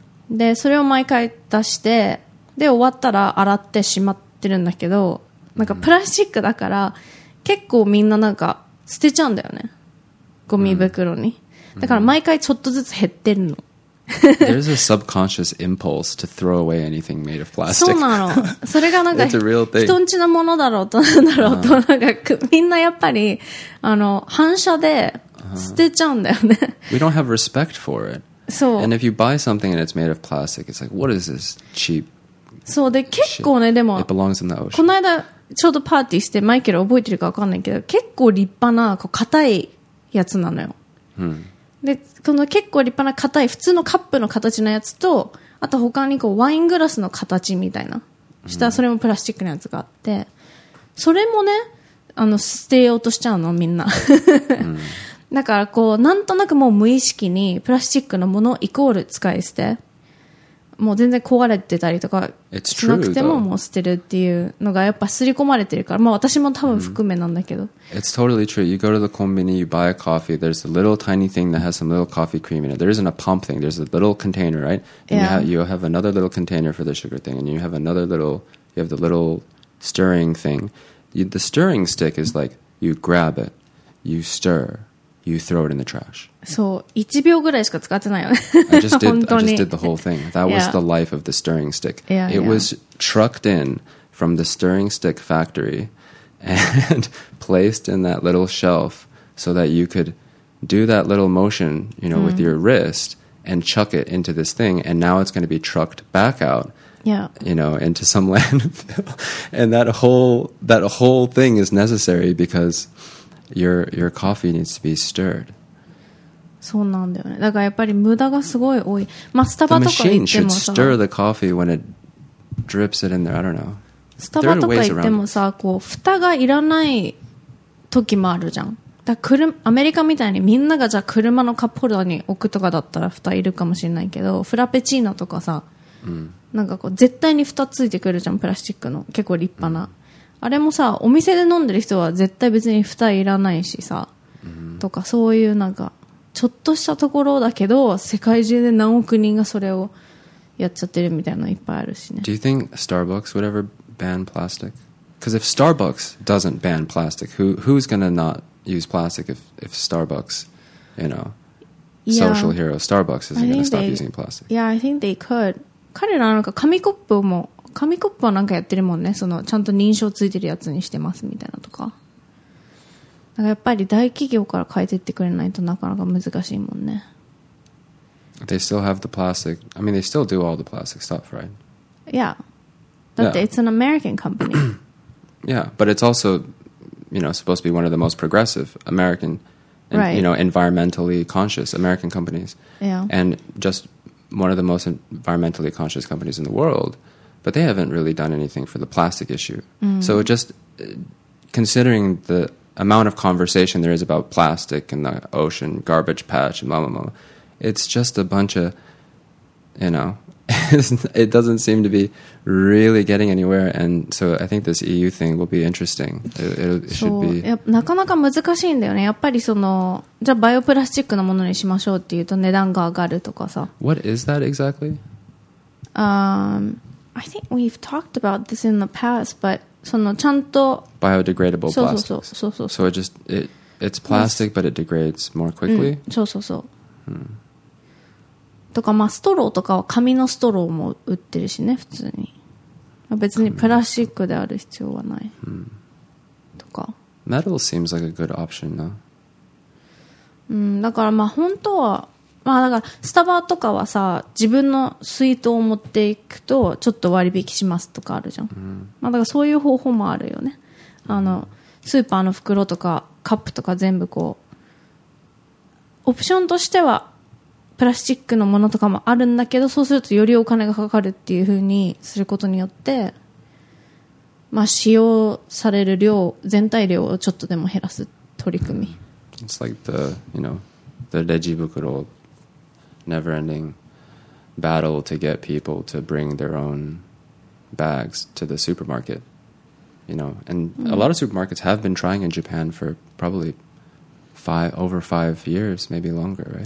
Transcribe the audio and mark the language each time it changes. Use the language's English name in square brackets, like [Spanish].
[Japanese] でそれを毎回出して、で終わったら洗ってしまってるんだけど、なんかプラスチックだから結構みんななんか捨てちゃうんだよね、ゴミ袋に、うん、だから毎回ちょっとずつ減ってるの。 [English] There's a subconscious impulse to throw away anything made of plastic. [Japanese] そうなの。それがなんか人んちのものだろうとなんだろうと、なんかみんなやっぱりあの反射で捨てちゃうんだよね。 [English] We don't have respect for it. [Japanese] そう。 [English] And if you buy something and it's made of plastic, it's like, what is this cheap? [Japanese] そうで結構ね、でも [English] it belongs in the ocean. [Japanese] この間ちょうどパーティーしてマイケル覚えてるか分かんないけど、結構立派なこう硬いやつなのよ。でこの結構立派な硬い普通のカップの形のやつと、あと他にこうワイングラスの形みたいな、したそれもプラスチックのやつがあって、それもねあの捨てようとしちゃうのみんな、うん、だからこうなんとなくもう無意識にプラスチックのものイコール使い捨て、もう全然壊れてたりとかしなくてももう捨てるっていうのがやっぱ刷り込まれてるから、まあ私も多分含めなんだけど、 [English] mm-hmm. It's totally true. You go to the convenience, you buy a coffee. There's a little tiny thing that has some little coffee cream in it. There isn't a pump thing. There's a little container, right? And、 you have another little container for the sugar thing. And you have another little, you have the little stirring thing. The stirring stick is like, you grab it, you stir. You throw it in the trash. [Japanese] そう、1秒ぐらいしか使ってないよね。 [English] I just did the whole thing. That was、yeah. the life of the stirring stick. Yeah, it was trucked in from the stirring stick factory and placed in that little shelf so that you could do that little motion, you know,、mm. with your wrist and chuck it into this thing. And now it's going to be trucked back out,、 yeah. you know, into some landfill. And that whole thing is necessary because... Your coffee needs to be stirred. [Japanese] そうなんだよね。だからやっぱり無駄がすごい多い。まあ、スタバとか行っても、 [English] The machine should stir the coffee when it drips it in there. I don't know. [Japanese] スタバとか行ってもさ、こう蓋がいらない時もあるじゃん。だから車、アメリカみたいにみんながじゃあ車のカップホルダーに置くとかだったら蓋いるかもしれないけど、フラペチーノとかさ、なんかこう絶対に蓋ついてくるじゃん、プラスチックの結構立派な。あれもさ、お店で飲んでる人は絶対別に蓋いらないしさ、うん、とかそういうなんかちょっとしたところだけど世界中で何億人がそれをやっちゃってるみたいなのいっぱいあるしね。 [English] Do you think Starbucks would ever ban plastic? Because if Starbucks doesn't ban plastic, who's gonna not use plastic if Starbucks, you know, social hero Starbucks isn't gonna stop using plastic? Yeah, I think they could. [Japanese] 彼らなんか紙コップはなんかやってるもんね。そのちゃんと認証ついてるやつにしてますみたいなとか。だからやっぱり大企業から変えてってくれないとなかなか難しいもんね。 [English] They still have the plastic. I mean, they still do all the plastic stuff, right? Yeah. [Japanese] だって、 [English] yeah. it's an American company. yeah, but it's also, you know, supposed to be one of the most progressive American, and, right. you know, environmentally conscious American companies. Yeah. And just one of the most environmentally conscious companies in the world. But they haven't really done anything for the plastic issue.、 Mm. So just considering the amount of conversation there is about plastic and the ocean garbage patch and blah, blah, blah, it's just a bunch of, you know, it doesn't seem to be really getting anywhere. And so I think this EU thing will be interesting. It should be. [Japanese] なかなか難しいんだよね。やっぱりその、じゃあバイオプラスチックのものにしましょうっていうと値段が上がるとかさ。 [English] What is that exactly? I think we've talked about this in the past, but [Japanese] そのちゃんと [English] biodegradable plastics. So it just it's plastic,、yes. but it degrades more quickly.、 [Japanese] うん、そうそうそう。 Hmm. とかまあストローとかは紙のストローも売ってるしね、普通に。別にプラスチックである必要はない。 Hmm. とか。 [English] Metal seems like a good option, though. [Japanese] うん、だからまあ本当は。まあ、だからスタバとかはさ自分の水筒を持っていくとちょっと割引しますとかあるじゃん、うんまあ、だからそういう方法もあるよね、うん、あのスーパーの袋とかカップとか全部こうオプションとしてはプラスチックのものとかもあるんだけど、そうするとよりお金がかかるっていう風にすることによって、まあ、使用される量、全体量をちょっとでも減らす取り組み。 [English] It's like the, you know, the レジ袋 never ending battle to get people to bring their own bags to the supermarket. You know, and a lot of supermarkets have been trying in Japan for probably over five years, maybe longer, right?